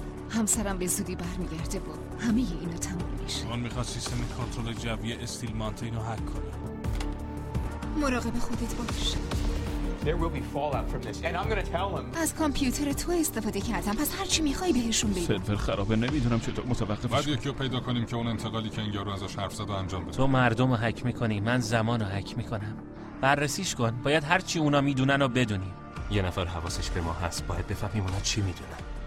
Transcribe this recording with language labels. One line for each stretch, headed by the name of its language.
Persian: همسرم به زودی برمیگرده و همه اینا تمام میشه. اون میخواد سیستم کنترل جوی استیل مانتین رو هک کنه. مراقب خودت باش.
English: There will be fallout from this and I'm going to tell him.
Persian: از کامپیوتر تو استفاده کردم. پس هر چی میخوای بهشون بگی. سرور خرابه، نمیدونم چطور متوقفش کنم. بعد یکی پیدا کنیم که اون انتقالی که انگارو ازش حرف زد و انجام بده. تو مردم رو هک میکنی، من زمان رو هک میکنم. بررسیش کن، باید هر چی اونا میدونن رو بدونی. یه نفر حواسش به ما هست، باید بفهمیم اونا چی میدونن.